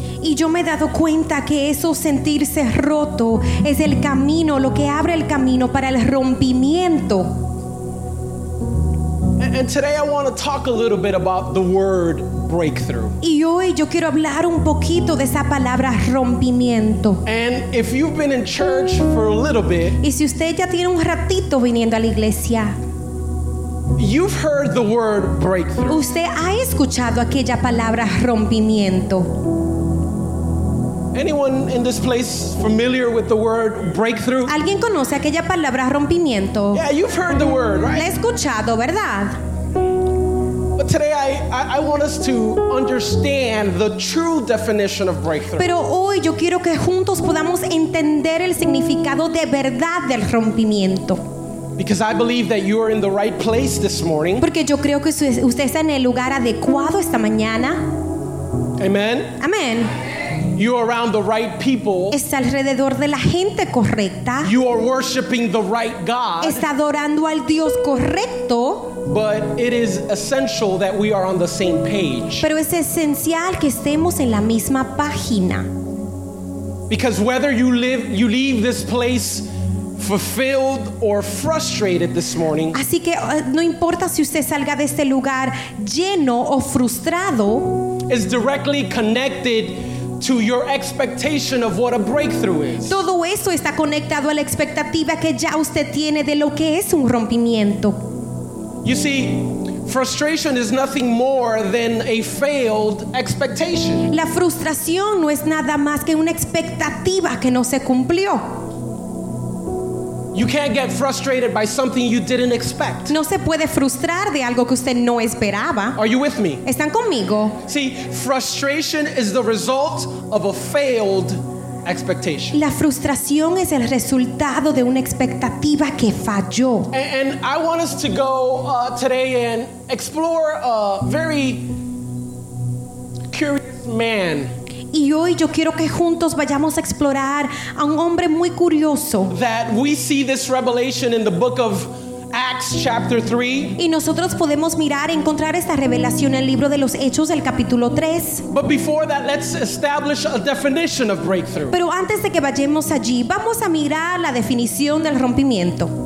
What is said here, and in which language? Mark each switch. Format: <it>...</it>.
<es>Y yo me he dado cuenta que eso sentirse roto es el camino, lo que abre el camino para el rompimiento.</es> <en>And today I want to talk a little bit about the word breakthrough.</en> <es>Y hoy yo quiero hablar un poquito de esa palabra rompimiento.</es> <en>And if you've been in church for a little bit,</en> <es>y si usted ya tiene un ratito viniendo a la iglesia,</es> <en>you've heard the word breakthrough.</en> <es>Usted ha escuchado aquella palabra rompimiento.</es> <en>Anyone in this place familiar with the word breakthrough?</en> <es>¿Alguien conoce aquella palabra rompimiento?</es> <en>Yeah, you've heard the word, right?</en> <es>La he escuchado, ¿verdad?</es> <en>But today I want us to understand the true definition of breakthrough.</en> <es>Pero hoy yo quiero que juntos podamos entender el significado de verdad del rompimiento.</es> <en>Because I believe that you are in the right place this morning.</en> <es>Porque yo creo que usted está en el lugar adecuado esta mañana.</es> <en>Amen.</en> <es>Amen.</es> <en>You are around the right people.</en> <es>Está alrededor de la gente correcta.</es> <en>You are worshiping the right God.</en> <es>Está adorando al Dios correcto.</es> <en>But it is essential that we are on the same page.</en> <es>Pero es esencial que estemos en la misma página.</es> <en>Because whether you leave this place fulfilled or frustrated this morning.</en> <es>Así que no importa si usted salga de este lugar lleno o frustrado.</es> <en>Is directly connected to your expectation of what a breakthrough is.</en> <es>Todo eso está conectado a la expectativa que ya usted tiene de lo que es un rompimiento.</es> <en>You see, frustration is nothing more than a failed expectation.</en> <es>La frustración no es nada más que una expectativa que no se cumplió.</es> <en>You can't get frustrated by something you didn't expect.</en> <es>No se puede frustrar de algo que usted no esperaba.</es> <en>Are you with me?</en> <es>¿Están conmigo?</es> <en>See, frustration is the result of a failed expectation.</en> <es>La frustración es el resultado de una expectativa que falló.</es> <en>And I want us to go today and explore a very curious man.</en> <es>Y hoy yo quiero que juntos vayamos a explorar a un hombre muy curioso.</es> <en>That we see this revelation in the book of Acts chapter 3.</en> <es>Y nosotros podemos mirar, encontrar esta revelación en el libro de los Hechos del capítulo 3.</es> <en>But before that, let's establish a definition of breakthrough.</en> <es>Pero antes de que vayamos allí, vamos a mirar la definición del rompimiento.</es>